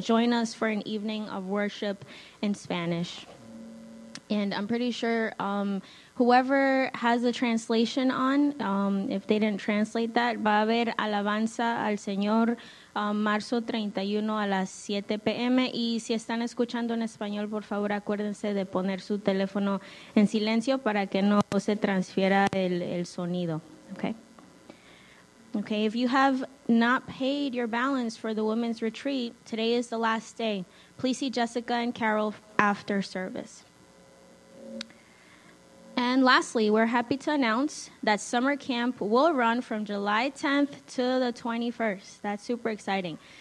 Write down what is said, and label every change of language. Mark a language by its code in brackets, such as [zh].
[en] Join us for an evening of worship in Spanish. And I'm pretty sure whoever has the translation on, if they didn't translate that, [es] va a haber alabanza al Señor marzo 31 a las 7 p.m. Y si están escuchando en español, por favor, acuérdense de poner su teléfono en silencio para que no se transfiera el sonido. [en] Okay, if you have not paid your balance for the women's retreat, today is the last day. Please see Jessica and Carol after service. And lastly, we're happy to announce that summer camp will run from July 10th to the 21st. That's super exciting.